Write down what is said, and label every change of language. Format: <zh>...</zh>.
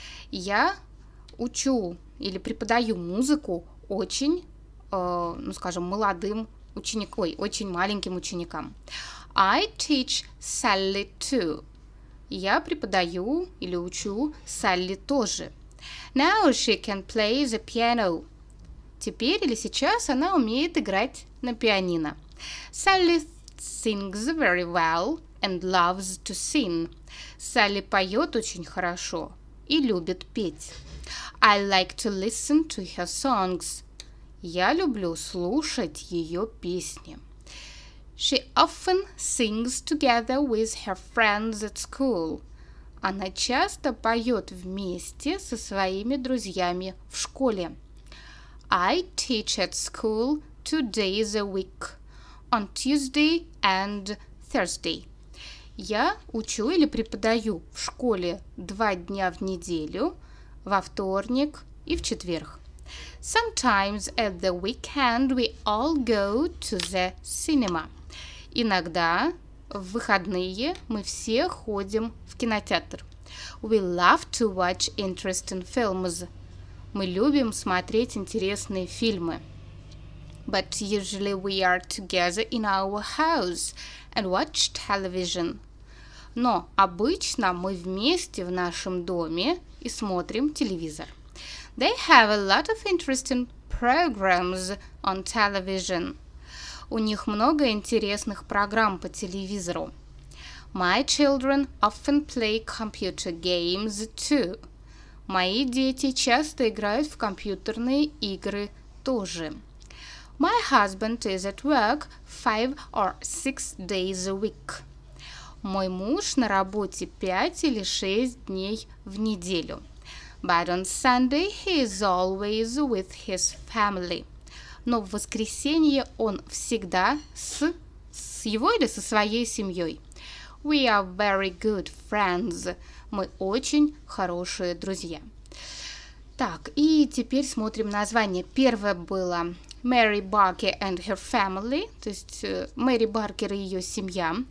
<ru>Я учу или преподаю музыку очень маленьким ученикам.</ru> <en>I teach Sally too.</en> <ru>Я преподаю или учу Салли тоже.</ru> <en>Now she can play the piano.</en> <ru>Теперь или сейчас она умеет играть на пианино.</ru> <en>Sally sings very well and loves to sing.</en> <ru>Салли поет очень хорошо и любит петь.</ru> <en>I like to listen to her songs.</en> <ru>Я люблю слушать ее песни.</ru> <en>She often sings together with her friends at school.</en> <ru>Она часто поет вместе со своими друзьями в школе.</ru> <en>I teach at school 2 days a week, on Tuesday and Thursday.</en> <ru>Я учу или преподаю в школе 2 дня в неделю, во вторник и в четверг.</ru> <en>Sometimes at the weekend we all go to the cinema.</en> <ru>Иногда в выходные мы все ходим в кинотеатр.</ru> <en>We love to watch interesting films.</en> <ru>Мы любим смотреть интересные фильмы.</ru> <en>But usually we are together in our house and watch television.</en> <ru>Но обычно мы вместе в нашем доме и смотрим телевизор.</ru> <en>They have a lot of interesting programs on television.</en> <ru>У них много интересных программ по телевизору.</ru> <en>My children often play computer games too.</en> <ru>Мои дети часто играют в компьютерные игры тоже.</ru> <en>My husband is at work 5 or 6 days a week.</en> <ru>Мой муж на работе 5 или 6 дней в неделю.</ru> <en>But on Sunday he is always with his family.</en> <ru>Но в воскресенье он всегда с его или со своей семьей.</ru> <en>We are very good friends.</en> <ru>Мы очень хорошие друзья. Так, и теперь смотрим название. Первое было</ru> <en>Mary Barker and her family,</en> <ru>то есть Мэри Баркер и ее семья.</ru>